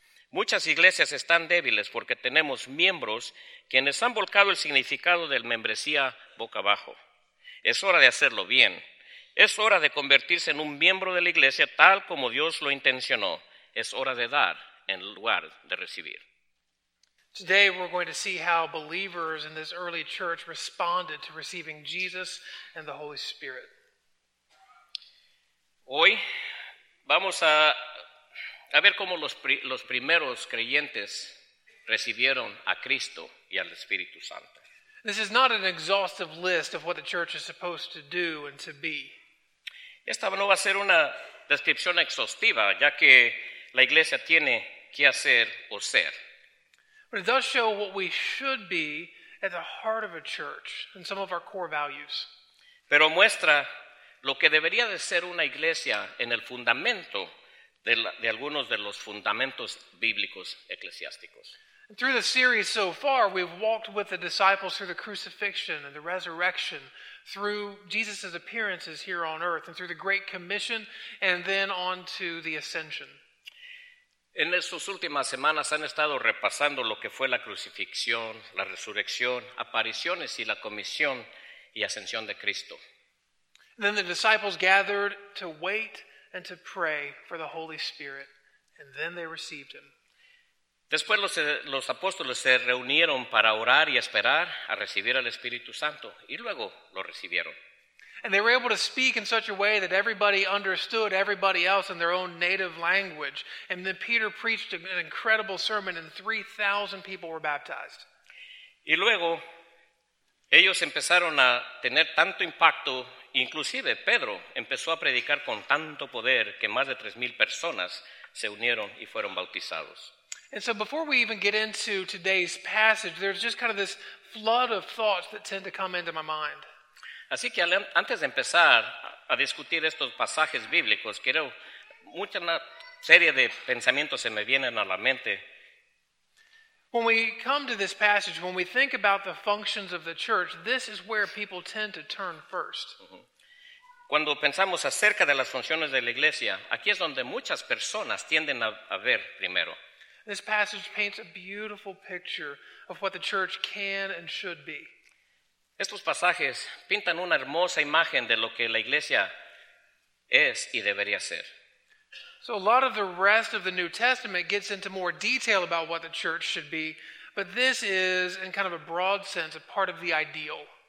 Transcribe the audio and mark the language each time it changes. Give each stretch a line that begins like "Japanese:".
Spanish: Muchas iglesias están débiles porque tenemos miembros quienes han volcado el significado del membresía boca abajo. Es hora de hacerlo bien. Es hora de convertirse en un miembro de la iglesia tal como Dios lo intencionó. Es hora de dar en lugar de recibir.
English: Today we're going to see how believers in this early church responded to receiving Jesus and the Holy Spirit.
Spanish: Hoy vamos a ver cómo los primeros creyentes recibieron a Cristo y al Espíritu Santo.
English: This is not an exhaustive list of what the church is supposed to do and to be.
Spanish: Esta no va a ser una descripción exhaustiva, ya que la iglesia tiene que hacer o ser.
English: But it does show what we should be at the heart of a church and some of our core values.
Spanish: Pero muestra lo que debería de ser una iglesia en el fundamento de algunos de los fundamentos bíblicos eclesiásticos.
English: Through the series so far, we've walked with the disciples through the crucifixion and the resurrection, through Jesus' appearances here on earth, and through the Great Commission, and then on to the ascension.
Spanish: En estas últimas semanas han estado repasando lo que fue la crucifixión, la resurrección, apariciones y la comisión y ascensión de Cristo.
English: Then the disciples gathered to wait and to pray for the Holy Spirit, and then they received him.
Spanish: Después los apóstoles se reunieron para orar y esperar a recibir al Espíritu Santo, y luego lo recibieron.
English: And they were able to speak in such a way that everybody understood everybody else in their own native language. And then Peter preached an incredible sermon and 3,000 people were baptized.
Spanish: Y luego, ellos empezaron a tener tanto impacto, inclusive Pedro empezó a predicar con tanto poder que más de 3,000 personas se unieron y fueron bautizados.
English: And so before we even get into today's passage, there's just kind of this flood of thoughts that tend to come into my mind.
Spanish: Así que antes de empezar a discutir estos pasajes bíblicos, quiero mucha una serie de pensamientos se me vienen a la mente.
English: When we come to this passage, when we think about the functions of the church, this is where people tend to turn first.
Spanish: Cuando pensamos acerca de las funciones de la iglesia, aquí es donde muchas personas tienden a ver primero.
English: This passage paints a beautiful picture of what the church can and should be.
Spanish: Estos pasajes pintan una hermosa imagen de lo que la iglesia es y debería ser.
English: So a lot of the rest of the New Testament gets into more detail about what the church should be, but this is, in kind of a broad sense, a part of the ideal.